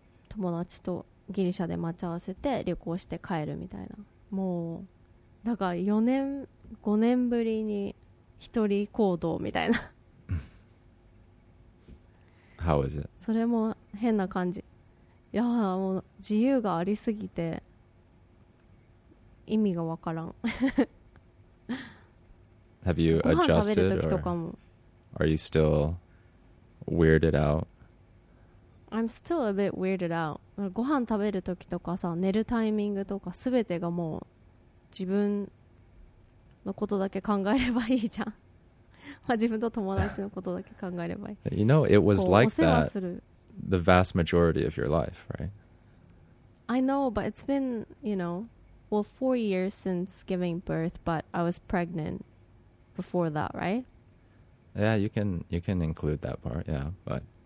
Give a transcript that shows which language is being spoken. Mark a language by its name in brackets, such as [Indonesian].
[Japanese] 友達とギリシャで待ち合わせて旅行して帰るみたいな、もうだから4年5年ぶりに一人行動みたいな [English] How is it? [Japanese] それも変な感じ、いやもう自由がありすぎて意味がわからん [English] Have you adjusted or are you still weirded out? I'm still a bit weirded out. [Japanese] ご飯食べるときとかさ、寝るタイミングとか、すべてがもう自分のことだけ考えればいいじゃん。まあ自分と友達のことだけ考えればいい。 [English] You know, it was like that the vast majority of your life, right? I know, but it's been, you know, well, 4 years since giving birth, but I was pregnant. Before that, right? Yeah, you can include that part, yeah, but...